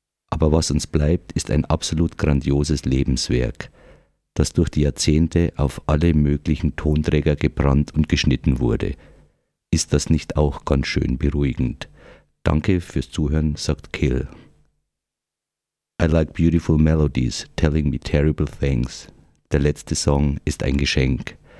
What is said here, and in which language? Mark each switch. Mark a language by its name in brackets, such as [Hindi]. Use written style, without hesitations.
[German] Aber was uns bleibt, ist ein absolut grandioses Lebenswerk, das durch die Jahrzehnte auf alle möglichen Tonträger gebrannt und geschnitten wurde. Ist das nicht auch ganz schön beruhigend? Danke fürs Zuhören, sagt Kill. [English] I like beautiful melodies telling me terrible things. [German] Der letzte Song ist ein Geschenk.